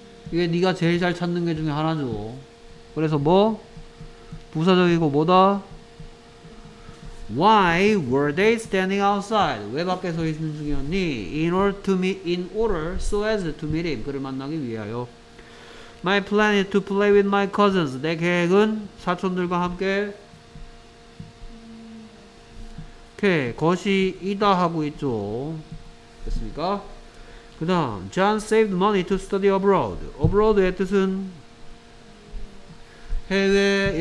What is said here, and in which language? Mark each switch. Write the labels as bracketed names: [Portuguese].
[Korean] 이게 네가 제일 잘 찾는 게 중에 하나죠. 그래서 뭐? 부사적이고 뭐다? [English] Why were they standing outside? [Korean] 왜 밖에 서 있는 중이었니? [English] In order so as to meet him. [Korean] 그를 만나기 위하여. [English] My plan is to play with my cousins. [Korean] 내 계획은 사촌들과 함께. 오케이. 것이다 하고 있죠. 됐습니까? [English] 그 다음 John saved money to study abroad. abroad [Korean] 의 뜻은 해외.